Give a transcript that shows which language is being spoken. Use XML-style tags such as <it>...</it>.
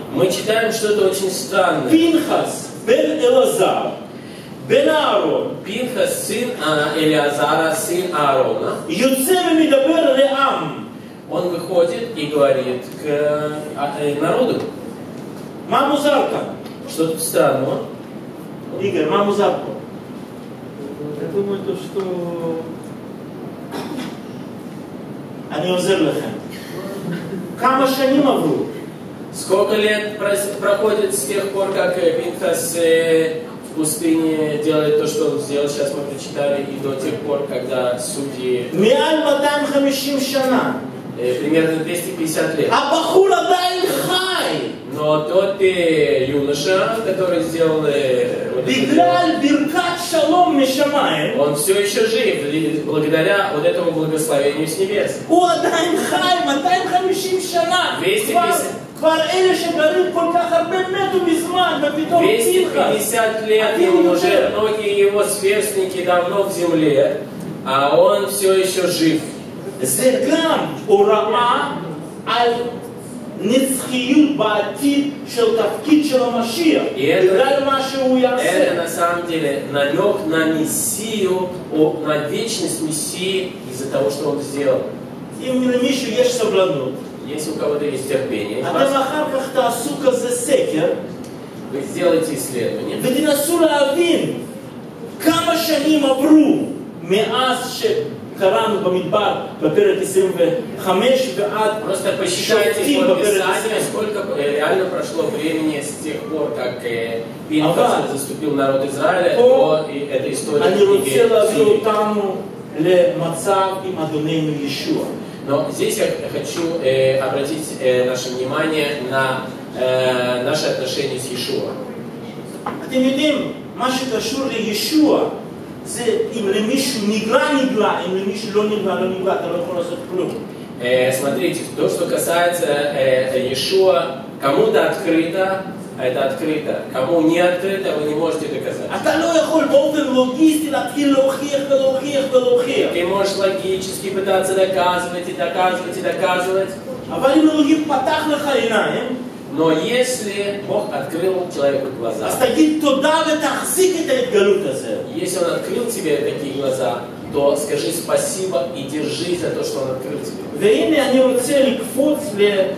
<ru>Мы читаем что-то очень странное. Пинхас, бен Элазар, бен Аарон. Пинхас, сын Элиазара, сын Аарона.</ru> <he>Йоце ומדבר לעם.</he> <ru>Он выходит и говорит к народу.</ru> <he>מה מוזר כאן?</he> <ru>Что-то странное.</ru> <he>Игорь, מה מוזר פה?</he> <ru>Я думаю, то, что...</ru> <he>אני עוזר לכם. כמה שנים עברו?</he> <ru>Сколько лет проходит с тех пор, как Пинхас в пустыне делает то, что он сделал, сейчас мы прочитали, и до тех пор, когда судьи...</ru> <he>מעל 250 שנה.</he> <ru>Примерно 250 лет.</ru> <he>А בחור עדיין חי.</he> <ru>Но тот юноша, который сделал...</ru> <he>בגלל ברכת шалом משמיים.</he> <ru>Он все еще жив, благодаря вот этому благословению с небес.</ru> <he>הוא עדיין חי, 250 שנה. 250... כבר אלה שגרים כל כך הרבה מתו מזמן, ופתאום פינחס.</he> <ru>250 лет, и уже многие его сверстники давно в земле, а он все еще жив.</ru> <he>זה גם הוראה על נצחיות בעתיד של תפקיד של המשיח. בגלל מה שהוא יעשה.</he> <ru>Это на самом деле намек на мессию, на вечность мессии из-за того, что он сделал.</ru> <he>אם למישהו יש סבלנות.</he> <ru>Если у кого-то есть терпение.</ru> <he>אתם אחר כך תעשו כזה סקר.</he> <ru>Вы сделаете исследование.</ru> <he>ותנסו להבין כמה שנים עברו מאז ש... קראנו במדבר בפרק 25 ועד</he> <ru>просто посчитайте сколько реально прошло времени с тех пор, как Пинхас заступил народ Израиля, то и эта история.</ru> <he>אני רוצה להביא אותנו למצב עם אדוננו ישוע.</he> <ru>Но здесь я хочу обратить наше внимание на наши отношения с Иешуа.</ru> <he>אתם יודעים מה שקשור לישוע? זה אם למישהו נגלה נגלה, אם למישהו לא נגלה לא נגלה, אתה לא יכול לעשות כלום.</he> <ru>Смотрите, то, что касается Иешуа, кому да открыто, это открыто. Кому не открыто, вы не можете доказать.</ru> <he>אתה לא יכול באופן לוגיסטי להתחיל להוכיח ולהוכיח ולהוכיח.</he> <ru>Ты можешь логически пытаться доказывать и доказывать и доказывать.</ru> <he>אבל אם אלוהים פתח לך עיניים,</he> <ru>но если Бог открыл человеку глаза, если Он открыл тебе такие глаза, то скажи спасибо и держи за то, что Он открыл тебе.</ru>